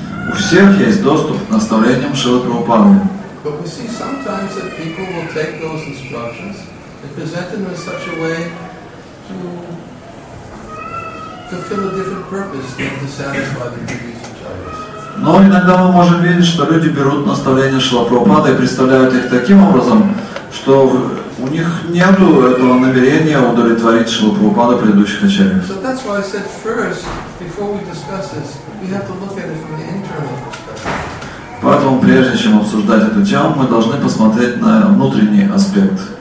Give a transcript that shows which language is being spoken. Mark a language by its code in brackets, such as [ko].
[ru] У всех есть доступ к наставлениям Шрилы Прабхупады. [en] But we see sometimes that people will take those instructions and present them in such a way to fulfill a different purpose than to satisfy the previous acharyas. [ru] Но иногда мы можем видеть, что люди берут наставления Шрила Прабхупады и представляют их таким образом, что у них нет этого намерения удовлетворить Шрила Прабхупада предыдущих ачарьев. [en] So that's why I said first, before we discuss this, we have to look at it from the internal perspective. [ru] Поэтому, прежде чем обсуждать эту тему, мы должны посмотреть на внутренний аспект.